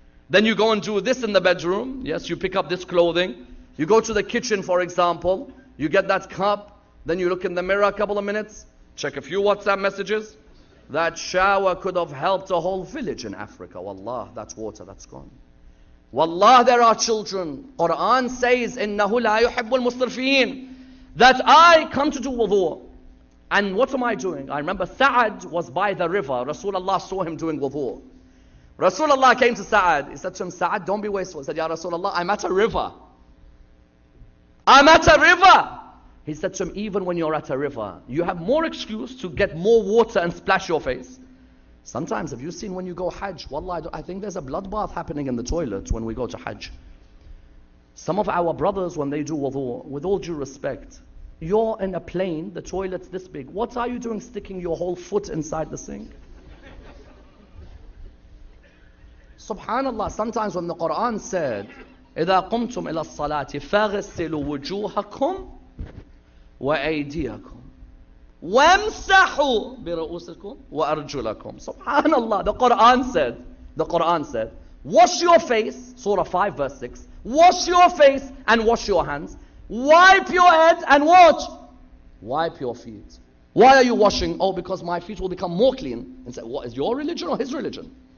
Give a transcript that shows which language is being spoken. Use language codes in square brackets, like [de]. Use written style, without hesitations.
[en] Then you go and do this in the bedroom. Yes, you pick up this clothing. You go to the kitchen, for example, you get that cup. Then you look in the mirror a couple of minutes, check a few WhatsApp messages. That shower could have helped a whole village in Africa. Wallah, that water, that's gone. Wallah, there are children. Quran says, [ar] إِنَّهُ لَا يُحِبُّ الْمُصْرِفِينَ. [en] That I come to do wudu. And what am I doing? I remember Sa'ad was by the river. Rasulullah saw him doing wudu. Rasulullah came to Sa'ad. He said to him, Sa'ad, don't be wasteful. He said, Ya Rasulullah, I'm at a river. I'm at a river. He said to him, even when you're at a river, you have more excuse to get more water and splash your face. Sometimes, have you seen when you go Hajj? Wallah, I think there's a bloodbath happening in the toilet when we go to Hajj. Some of our brothers, when they do wudu, with all due respect, you're in a plane, the toilet's this big. What are you doing sticking your whole foot inside the sink? Subhanallah, sometimes when the Quran said, [ar] إِذَا قُمْتُمْ إِلَى الصَّلَاةِ فَغَسِّلُوا وُجُوهَكُمْ وَأَيْدِيَكُمْ وَامْسَحُوا بِرَؤُوسِكُمْ وَأَرْجُلَكُمْ. [en] Subhanallah, the Quran said, wash your face, Surah 5 verse 6, wash your face and wash your hands, wipe your head and what? Wipe your feet. Why are you washing? Oh, because my feet will become more clean. And say, what is your religion or his religion?